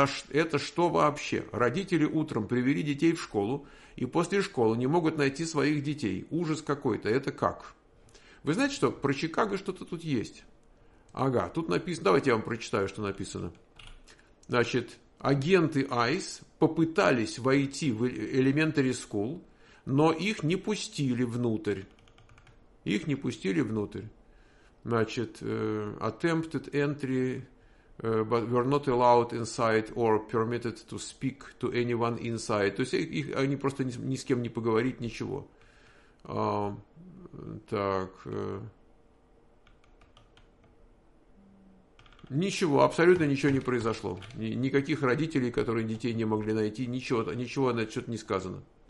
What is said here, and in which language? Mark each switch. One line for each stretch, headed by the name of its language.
Russian: Это что вообще? Родители утром привели детей в школу, и после школы не могут найти своих детей. Ужас какой-то. Это как? Вы знаете что? Про Чикаго что-то тут есть. Ага, тут написано. Давайте я вам прочитаю, что написано. Значит, агенты Айс попытались войти в Elementary School, но их не пустили внутрь. Их не пустили внутрь. Значит,
English: attempted entry, but were not allowed inside or permitted to speak to anyone inside.
Russian: То есть их, они просто ни с кем не поговорить, ничего. Так. Ничего, абсолютно ничего не произошло. Никаких родителей, которые детей не могли найти, ничего на этот счет не сказано.